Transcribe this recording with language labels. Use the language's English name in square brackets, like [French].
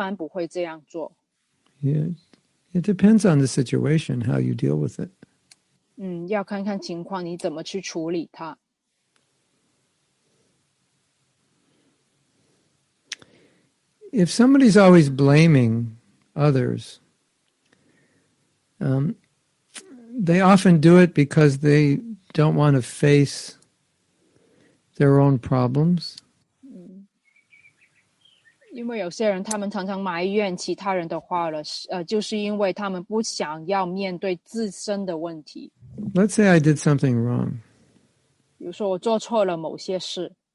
[Chinese] 当然你可以叫这样的人离开这个奉献社团，但是我们一般不会这样做。 [English] Yeah, it depends on the situation, how you deal with it. [Chinese] 要看看情况，你怎么去处理它。 [English] If somebody's always blaming others, they often do it because they don't want to face their own problems. [Chinese] 因为有些人他们常常埋怨其他人的话了，就是因为他们不想要面对自身的问题。 [English] Let's say I did something wrong. [Chinese] 比如说我做错了某些事,